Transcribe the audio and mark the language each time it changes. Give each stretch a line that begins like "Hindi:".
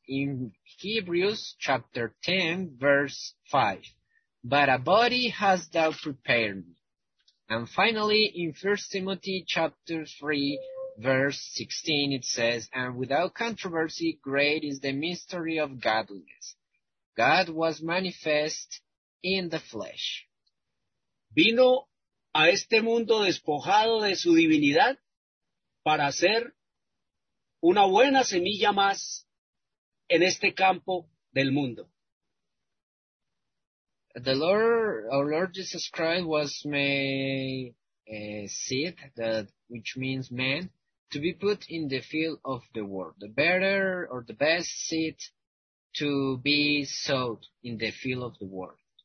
English: in Hebrews chapter 10, verse 5. But a body hast thou prepared me. And finally, in 1 Timothy chapter 3, verse 16, it says, and without controversy, great is the mystery of godliness. God was manifest in the flesh.
Spanish: Vino a este mundo despojado de su divinidad para ser una buena semilla más en este campo del mundo.
English: The Lord, our Lord Jesus Christ, was made seed, that which means man, to be put in the field of the world. The better or the best seed to be sowed in the field of the world.